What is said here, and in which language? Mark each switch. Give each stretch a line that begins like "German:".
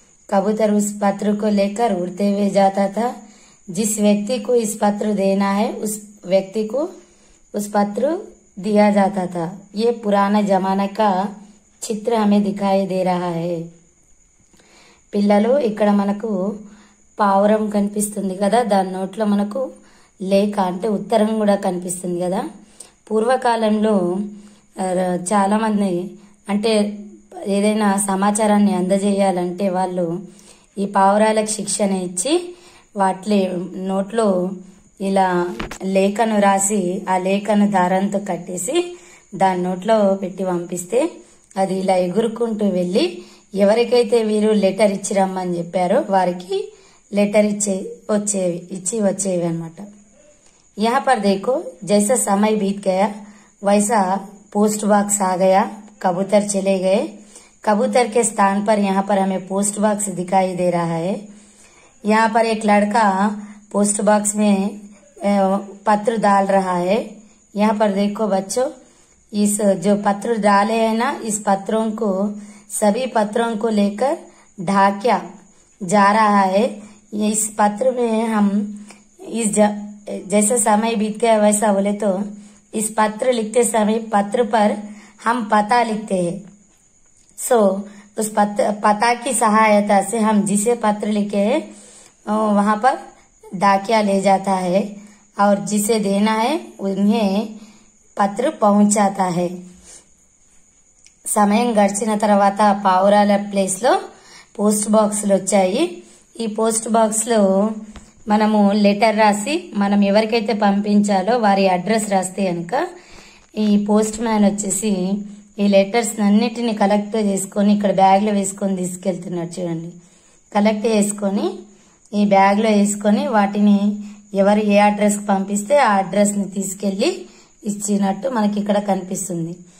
Hindi: कबूतर उस पत्र को लेकर उड़ते हुए जाता था। जिस व्यक्ति को इस पत्र देना है उस व्यक्ति को उस पत्र दिया जाता था। ये पुराना जमाने का चित्र हमें दिखाई दे रहा है।
Telugu: पिल्ललो इकड़ मनकु पावरम कनिपिस्तुंदी कदा, दानि नोट्लो मनकु लेख अंटे उत्तरं कूडा कनिपिस्तुंदी कदा। పూర్వకాలంలో చాలామంది అంటే ఏదైనా సమాచారాన్ని అందజేయాలంటే వాళ్ళు ఈ పావురాలకు శిక్షణ ఇచ్చి వాటి నోట్లో ఇలా లేఖను రాసి ఆ లేఖను దారంతో కట్టేసి దాని నోట్లో పెట్టి పంపిస్తే అది ఇలా ఎగురుకుంటూ వెళ్ళి ఎవరికైతే వీరు లెటర్ ఇచ్చి రమ్మని చెప్పారో వారికి లెటర్ ఇచ్చి వచ్చేవి అన్నమాట।
Hindi: यहाँ पर देखो जैसा समय बीत गया वैसा पोस्ट बॉक्स आ गया, कबूतर चले गए। कबूतर के स्थान पर यहाँ पर हमें पोस्ट बॉक्स दिखाई दे रहा है। यहाँ पर एक लड़का पोस्ट बॉक्स में पत्र डाल रहा है। यहाँ पर देखो बच्चों, इस जो पत्र डाले है ना, इस पत्रों को सभी पत्रों को लेकर ढाकिया जा रहा है। इस पत्र में हम जैसा समय बीत गया वैसा बोले तो इस पत्र लिखते समय पत्र पर हम पता लिखते हैं। सो उस पता की सहायता से हम जिसे पत्र लिखे है वहां पर डाकिया ले जाता है और जिसे देना है उन्हें पत्र पहुंचाता है।
Telugu: समय गड़चिन तरवात पावराल प्लेस लो पोस्ट बॉक्स वच्चाई। पोस्ट बॉक्स लो మనము లెటర్ రాసి మనం ఎవరికైతే పంపించాలో వారి అడ్రస్ రాస్తే కనుక ఈ పోస్ట్ మ్యాన్ వచ్చేసి ఈ లెటర్స్ అన్నిటిని కలెక్ట్ చేసుకొని ఇక్కడ బ్యాగ్లో వేసుకొని తీసుకెళ్తున్నారు చూడండి। కలెక్ట్ చేసుకొని ఈ బ్యాగ్లో వేసుకొని వాటిని ఎవరు ఏ అడ్రస్కి పంపిస్తే ఆ అడ్రస్ని తీసుకెళ్ళి ఇచ్చినట్టు మనకి ఇక్కడ కనిపిస్తుంది।